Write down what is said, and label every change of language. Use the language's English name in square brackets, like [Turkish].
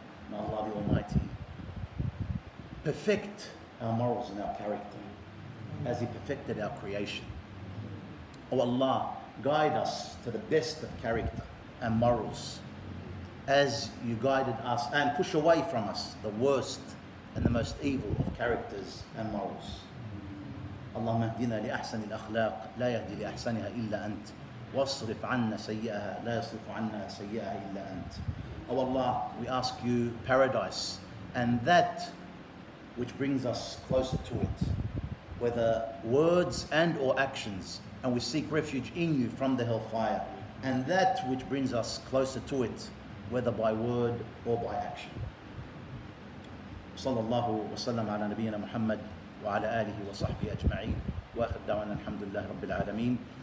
[English] May Allah the Almighty perfect our morals and our character as He perfected our creation. Oh Allah, guide us to the best of character and morals as You guided us, and push away from us the worst and the most evil of characters and morals. [Arabic] اللهم اهدنا لأحسن الأخلاق لا يهدي لأحسنها إلا أنت واصرف عنا سيئها لا يصرف عنا سيئها إلا أنت. [English] Oh Allah, we ask You paradise and that which brings us closer to it, whether words and or actions, and we seek refuge in You from the hellfire, and that which brings us closer to it, whether by word or by action. [Arabic] صلى الله وسلم على نبينا محمد وعلى آله وصحبه أجمعين وآخر دعوانا الحمد لله رب العالمين.